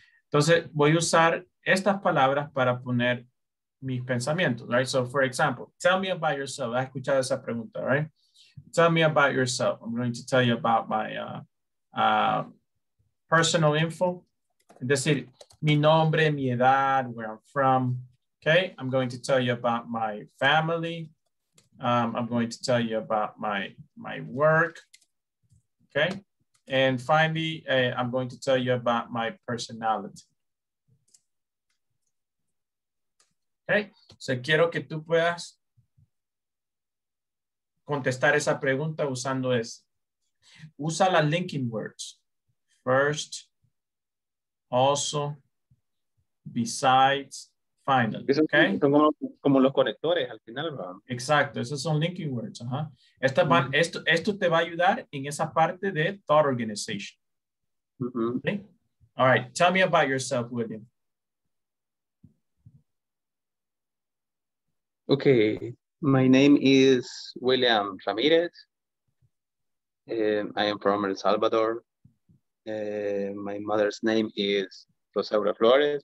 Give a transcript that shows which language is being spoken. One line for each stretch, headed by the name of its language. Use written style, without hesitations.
Spanish: Entonces, voy a usar estas palabras para poner mis pensamientos, right?
English: So, for example, tell me about yourself.
Spanish: ¿Has escuchado esa pregunta,
English: right? Tell me about yourself. I'm going to tell you about my personal info.
Spanish: Es decir, mi nombre, mi edad,
English: where I'm from.
Spanish: Okay.
English: I'm going to tell you about my family. I'm going to tell you about my work, okay? And finally, I'm going to tell you about my personality.
Spanish: Okay, so quiero que tú puedas contestar esa pregunta usando eso.
English: Usa las linking words. First, also, besides. Final.
Spanish: Eso okay. Son como los conectores al final, ¿verdad? Exacto, esos son linking words. Ajá. Esto te va a ayudar en esa parte de thought organization. Uh-huh.
English: Okay. All right, tell me about yourself, William. Okay, my name is William Ramirez. I am from El Salvador. My mother's name is Rosaura Flores.